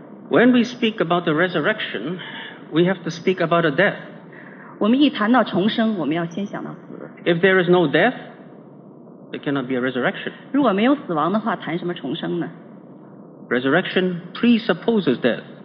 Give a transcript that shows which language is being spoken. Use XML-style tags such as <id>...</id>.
<en>When we speak about the resurrection,We have to speak about a death.</en> <zh>我们一谈到重生，我们要先想到死。</zh> <en>If there is no death, there cannot be a resurrection.</en> <zh>如果没有死亡的话，谈什么重生呢？</zh> <en>Resurrection presupposes death.</en>